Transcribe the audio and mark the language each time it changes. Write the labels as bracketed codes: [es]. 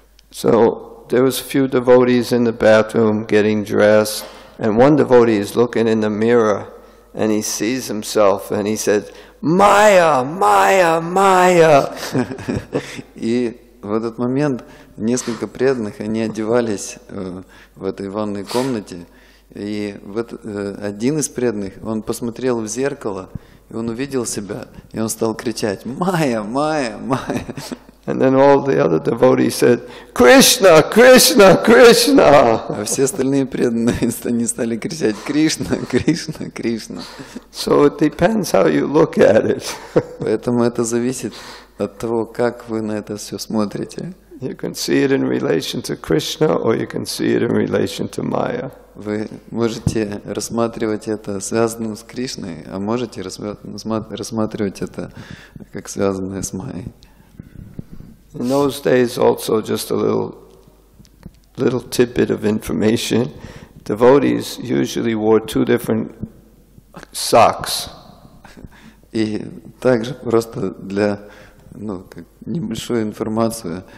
[en] So there was a few devotees in the bathroom getting dressed, and one devotee is looking in the mirror and he sees himself and he said, Maya, Maya, Maya. [ru] И в этот момент несколько преданных, они одевались в этой ванной комнате. И вот один из преданных, он посмотрел в зеркало, и он увидел себя, и он стал кричать: «Майя, Майя, Майя!» [en] And then all the other devotees said, «Кришна, Кришна, Кришна!» [ru] А все остальные преданные, они стали кричать: «Кришна, Кришна, Кришна!» [en] So it depends how you look at it. [ru] Поэтому это зависит от того, как вы на это все смотрите. [en] You can see it in relation to Krishna, or you can see it in relation to Maya. [ru] Вы можете рассматривать это связанным с Кришной, а можете рассматривать это как связанное с Майей. [en] In those days, also just a little tidbit of information: devotees usually wore two different socks. [ru] И также просто для небольшую информацию.